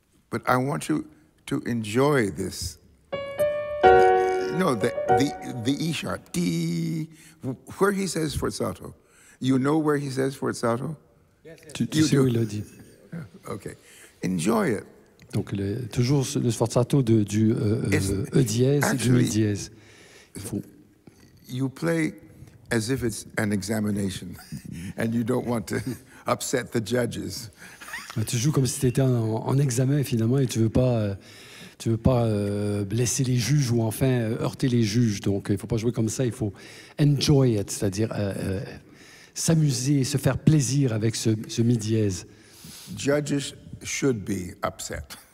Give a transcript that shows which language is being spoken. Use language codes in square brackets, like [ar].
[en] But I want you to enjoy this. No, the E sharp. D. Where he says forzato. You know where he says forzato? Yes. [fr] Tu sais où il le dit. [en] Okay. Enjoy it. [fr] Donc toujours le forzato du E dièse et du mi dièse. [en] You play as if it's an examination and you don't want to upset the judges. [fr] Tu joues comme si tu étais en examen, finalement, et tu veux pas blesser les juges ou enfin heurter les juges. Donc, il ne faut pas jouer comme ça, il faut [en] enjoy it, [fr] c'est-à-dire s'amuser, se faire plaisir avec ce mi dièse. [en] Judges should be upset.